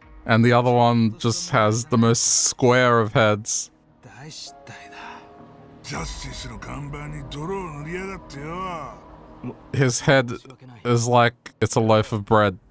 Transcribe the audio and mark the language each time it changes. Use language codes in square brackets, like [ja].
[en] And the other one just has the most square of heads. [ja] 大失態だ。ジャスティスの看板に泥を塗りやがってよ。 [en] His head is like it's a loaf of bread.